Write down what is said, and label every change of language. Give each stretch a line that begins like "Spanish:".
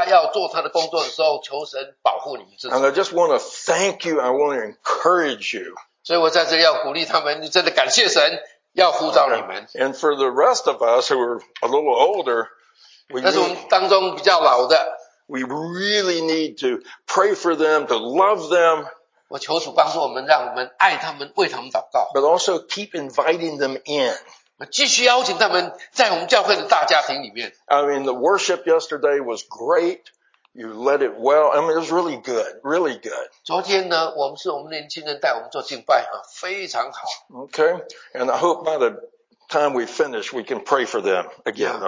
Chinese: 我在这要对我们的年轻人鼓励，你们当进入圣灵的工作，进入神的家要做他的工作的时候，求神保护你们。
English: And I just want to thank you. I want to encourage you.
Chinese: 所以我在这里要鼓励他们，你真的感谢神，要呼召你们。
English: And for the rest of us who are a little older,
Chinese: 但是我们当中比较老的,
English: we really need to pray for them, to love them.
Chinese: 我求主帮助我们，让我们爱他们，为他们祷告。
English: But also keep inviting them in.
Chinese: 继续邀请他们在我们教会的大家庭里面。
English: I mean, the worship yesterday was great. You led it well. I mean, it was really good, really good.
Chinese: 昨天呢，我们是我们年轻人带我们做敬拜啊，非常好。
English: Okay, and I hope by the time we finish, we can pray for them again.